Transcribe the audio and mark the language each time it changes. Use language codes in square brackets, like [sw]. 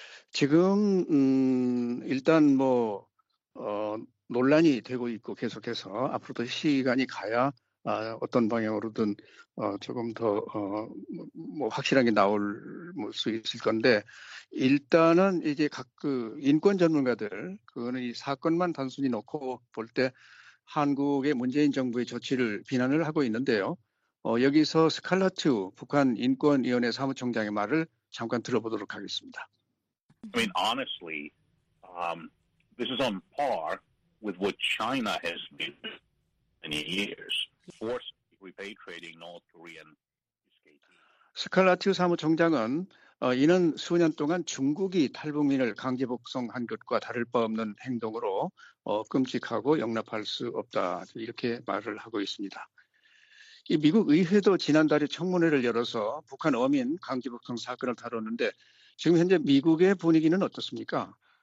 [ko] 지금 일단 뭐 논란이 되고 있고 계속해서 앞으로도 시간이 가야 어떤 방향으로든 조금 더 뭐 확실하게 나올 수 있을 건데, 일단은 이제 각 그 인권 전문가들, 그거는 이 사건만 단순히 놓고 볼 때 한국의 문재인 정부의 조치를 비난을 하고 있는데요. 여기서 스칼라트 북한 인권위원회 사무총장의 말을 잠깐 들어보도록 하겠습니다. [en] I mean, honestly, this is on par with what China has been in years, forced repatriating North Korean escapees. [ko] 스칼라트 사무총장은 이는 수년 동안 중국이 탈북민을 강제 복송한 것과 다를 바 없는 행동으로 끔찍하고 용납할 수 없다, 이렇게 말을 하고 있습니다. 이 미국 의회도 지난달에 청문회를 열어서 북한 어민 강제복송 사건을 다뤘는데, 지금 현재 미국의 분위기는 어떻습니까?